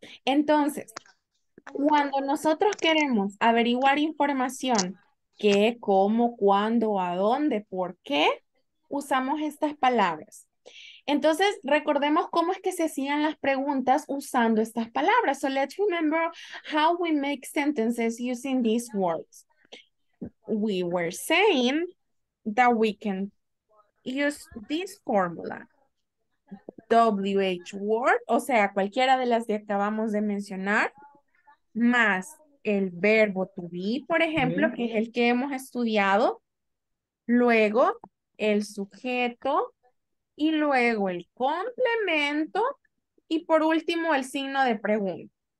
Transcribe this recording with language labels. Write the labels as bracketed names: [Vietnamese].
[Spanish] Entonces, cuando nosotros queremos averiguar información, qué, cómo, cuándo, a dónde, por qué, usamos estas palabras. Entonces, recordemos cómo es que se hacían las preguntas usando estas palabras. [English] So let's remember how we make sentences using these words. We were saying that we can use this formula. WH word, [Spanish] o sea, cualquiera de las que acabamos de mencionar, más el verbo to be, por ejemplo, que es el que hemos estudiado, luego el sujeto, y luego el complemento, y por último el signo de pregunta.